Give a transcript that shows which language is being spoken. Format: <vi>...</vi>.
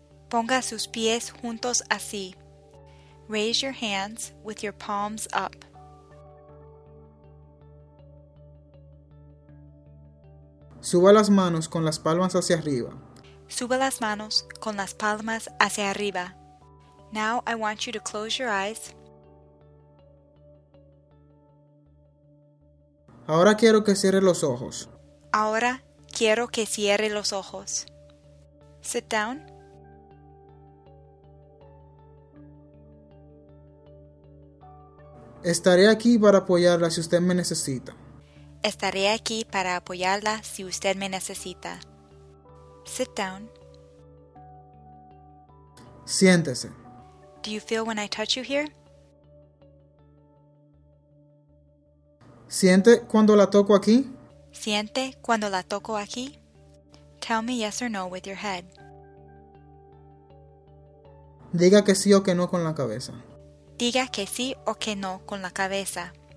<es>Ponga sus pies juntos así.</es> <en>Raise your hands with your palms up.</en> <es>Suba las manos con las palmas hacia arriba. Suba las manos con las palmas hacia arriba.</es> <en>Now I want you to close your eyes.</en> <es>Ahora quiero que cierre los ojos. Ahora quiero que cierre los ojos.</es> <en>Sit down.</en> <es>Estaré aquí para apoyarla si usted me necesita. Estaré aquí para apoyarla si usted me necesita.</es> <en>Sit down.</en> <es>Siéntese.</es> <en>Do you feel when I touch you here?</en> <es>¿Siente cuando la toco aquí? ¿Siente cuando la toco aquí?</es> <en>Tell me yes or no with your head.</en> <es>Diga que sí o que no con la cabeza. Diga que sí o que no con la cabeza.</es>